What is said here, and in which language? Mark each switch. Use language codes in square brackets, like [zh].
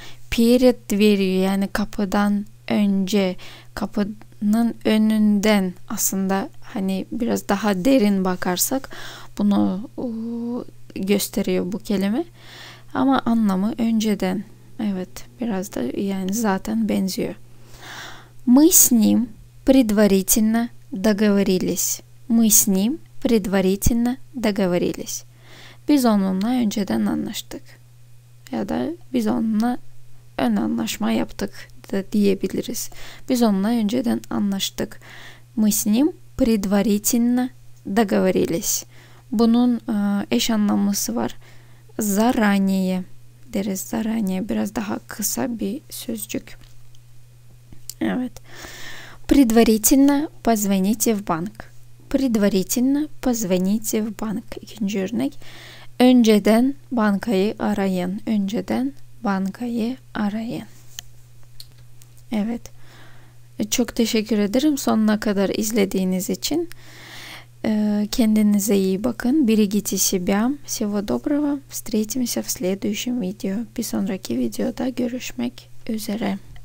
[tr] Перед дверью, yani kapıdan önce, kapının önünden, aslında hani biraz daha derin bakarsak bunu gösteriyor bu kelime. Ama anlamı önceden. Evet, biraz da yani zaten benziyor. [ru] Мы с ним предварительно договорились. Мы с ним предварительно договорились. [tr] Biz onunla önceden anlaştık. Ya da biz onunla ön anlaşma yaptık da diyebiliriz. Biz onunla önceden anlaştık. [ru] Мы с ним предварительно договорились. [tr] Bunun eş anlamlısı var. Заранее deriz. Заранее biraz daha kısa bir sözcük. Evet. [ru] Предварительно позвоните в банк. Предварительно позвоните в банк. [tr] İkinci örnek. Önceden bankayı arayın. Önceden bankayı arayın. Evet. Çok teşekkür ederim sonuna kadar izlediğiniz için. Kendinize iyi bakın. Берегите себя. [ru] Всего доброго. Встретимся в следующем видео. Bir sonraki videoda görüşmek üzere.